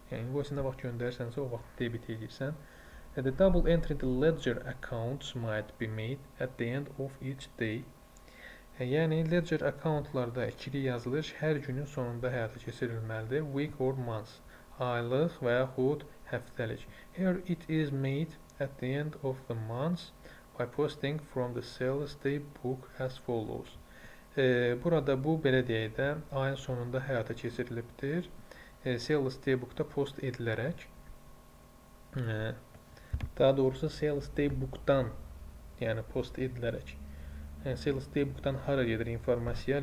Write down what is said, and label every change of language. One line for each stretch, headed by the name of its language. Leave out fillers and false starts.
Azerbaijani: Yəni, invoice nə vaxt göndərsənsə, o vaxt debit edirsən.
English: The double entry ledger accounts might be made at the end of each day.
Azerbaijani: Yəni, ledger accountlarda ikili yazılış hər günün sonunda həyata keçirilməlidir.
English: Week or month.
Azerbaijani: Aylıq və yaxud həftəlik.
English: Here it is made at the end of the month by posting from the sales day book as follows.
Azerbaijani: Burada bu belə deyək də ayın sonunda həyata keçirilibdir. Sales day book-da post edilərək daha doğrusu sales day book-dan yəni post edilərək sales day book-dan hara gedir informasiya?